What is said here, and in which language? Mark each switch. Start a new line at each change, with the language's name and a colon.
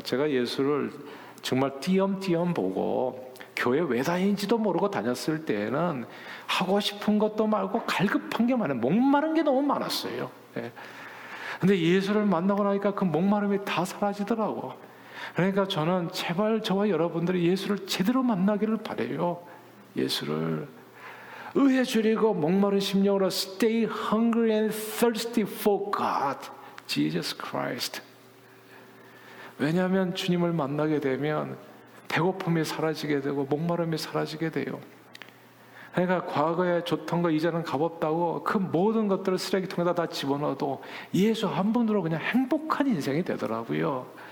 Korean: 제가 예수를 정말 띄엄띄엄 보고 교회 왜 다니는지도 모르고 다녔을 때에는 하고 싶은 것도 많고 갈급한 게 많아요. 목마른 게 너무 많았어요. 예. 근데 예수를 만나고 나니까 그 목마름이 다 사라지더라고. 그러니까 저는 제발 저와 여러분들이 예수를 제대로 만나기를 바래요. 예수를 의에 줄이고 목마른 심령으로
English: Stay hungry and thirsty for God, Jesus Christ.
Korean: 왜냐하면 주님을 만나게 되면 배고픔이 사라지게 되고 목마름이 사라지게 돼요. 그러니까 과거에 좋던 거 이제는 값없다고 그 모든 것들을 쓰레기통에다 다 집어넣어도 예수 한 분으로 그냥 행복한 인생이 되더라고요.